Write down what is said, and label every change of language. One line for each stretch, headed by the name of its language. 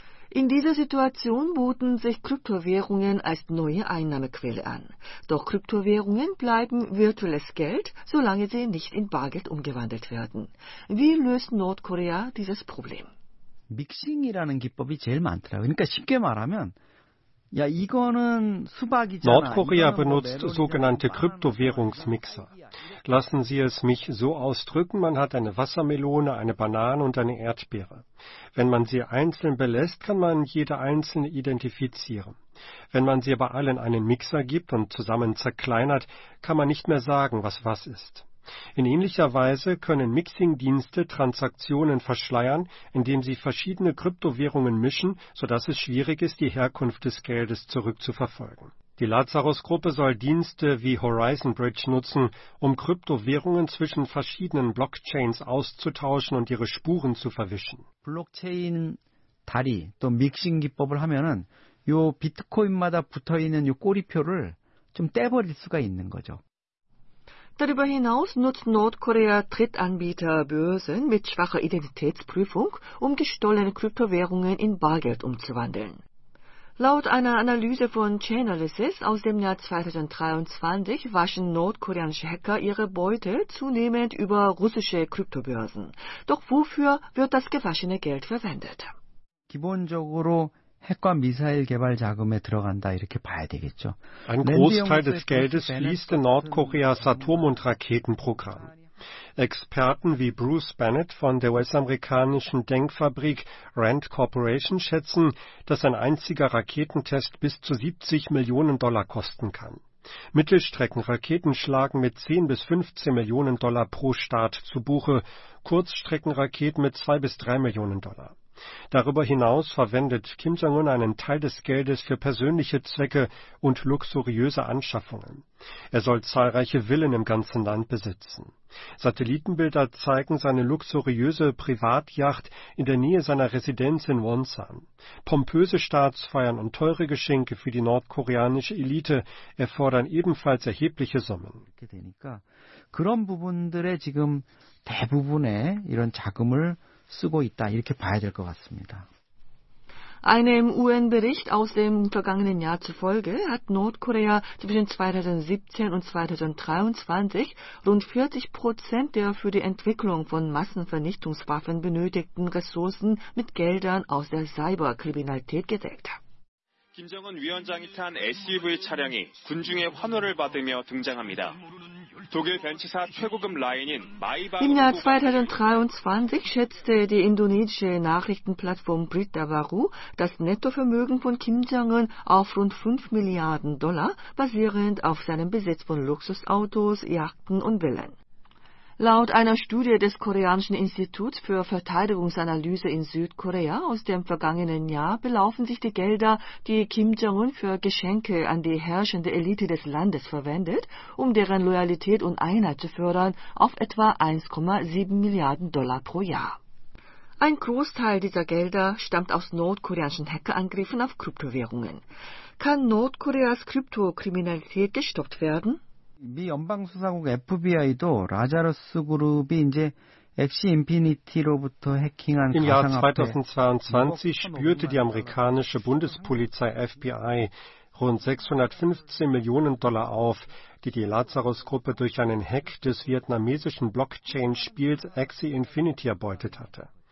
German: In dieser Situation boten sich Kryptowährungen als neue Einnahmequelle an. Doch Kryptowährungen bleiben virtuelles Geld, solange sie nicht in Bargeld umgewandelt werden. Wie löst Nordkorea dieses Problem?
Korean: Mixing이라는 기법이 제일 많더라고요. 그러니까 쉽게 말하면 야, 이거는 수박이잖아.
German: Nordkorea benutzt sogenannte Kryptowährungsmixer. Lassen Sie es mich so ausdrücken, man hat eine Wassermelone, eine Banane und eine Erdbeere. Wenn man sie einzeln belässt, kann man jede einzelne identifizieren. Wenn man sie aber allen einen Mixer gibt und zusammen zerkleinert, kann man nicht mehr sagen, was was ist. In ähnlicher Weise können Mixing-Dienste Transaktionen verschleiern, indem sie verschiedene Kryptowährungen mischen, sodass es schwierig ist, die Herkunft des Geldes zurückzuverfolgen. Die Lazarus-Gruppe soll Dienste wie Horizon Bridge nutzen, um Kryptowährungen zwischen verschiedenen Blockchains auszutauschen und ihre Spuren zu verwischen.
Korean: Blockchain-Dari, 또 Mixing-기법을 하면은 요 비트코인마다 붙어있는 요 꼬리표를 좀 떼버릴 수가 있는 거죠.
German: Darüber hinaus nutzt Nordkorea Drittanbieterbörsen mit schwacher Identitätsprüfung, um gestohlene Kryptowährungen in Bargeld umzuwandeln. Laut einer Analyse von Chainalysis aus dem Jahr 2023 waschen nordkoreanische Hacker ihre Beute zunehmend über russische Kryptobörsen. Doch wofür wird das gewaschene Geld verwendet?
Korean: 기본적으로 핵과 미사일 개발 자금에 들어간다 이렇게 봐야 되겠죠.
German: Ein Großteil des Geldes fließt in Nordkoreas Atom- und Raketenprogramm. Experten wie Bruce Bennett von der US-amerikanischen Denkfabrik RAND Corporation schätzen, dass ein einziger Raketentest bis zu 70 Millionen Dollar kosten kann. Mittelstreckenraketen schlagen mit 10 bis 15 Millionen Dollar pro Start zu Buche, Kurzstreckenraketen mit 2 bis 3 Millionen Dollar. Darüber hinaus verwendet Kim Jong-un einen Teil des Geldes für persönliche Zwecke und luxuriöse Anschaffungen. Er soll zahlreiche Villen im ganzen Land besitzen. Satellitenbilder zeigen seine luxuriöse Privatjacht in der Nähe seiner Residenz in Wonsan. Pompöse Staatsfeiern und teure Geschenke für die nordkoreanische Elite erfordern ebenfalls erhebliche Summen.
Korean: 그런 부분들에 지금 대부분의 이런 자금을 쓰고 있다 이렇게 봐야 될 것 같습니다.
German: Einem UN-Bericht aus dem vergangenen Jahr zufolge hat Nordkorea zwischen 2017 und 2023 rund 40% der für die Entwicklung von Massenvernichtungswaffen benötigten Ressourcen mit Geldern aus der Cyberkriminalität gedeckt.
Korean: Kim Jong-un 위원장이 탄 SUV 차량이 군중의 환호를 받으며 등장합니다.
German: Im Jahr 2023 schätzte die indonesische Nachrichtenplattform Berita Baru das Nettovermögen von Kim Jong-un auf rund 5 Milliarden Dollar, basierend auf seinem Besitz von Luxusautos, Yachten und Villen. Laut einer Studie des Koreanischen Instituts für Verteidigungsanalyse in Südkorea aus dem vergangenen Jahr belaufen sich die Gelder, die Kim Jong-un für Geschenke an die herrschende Elite des Landes verwendet, um deren Loyalität und Einheit zu fördern, auf etwa 1,7 Milliarden Dollar pro Jahr. Ein Großteil dieser Gelder stammt aus nordkoreanischen Hackerangriffen auf Kryptowährungen. Kann Nordkoreas Kryptokriminalität gestoppt werden?
Korean: 미 연방수사국 FBI도 라자러스 그룹이 이제
German: Im Jahr 2022 spürte die amerikanische Bundespolizei FBI rund 615 Millionen Dollar auf, die die Lazarus-Gruppe durch einen Hack des vietnamesischen Blockchain-Spiels Axie Infinity erbeutet hatte.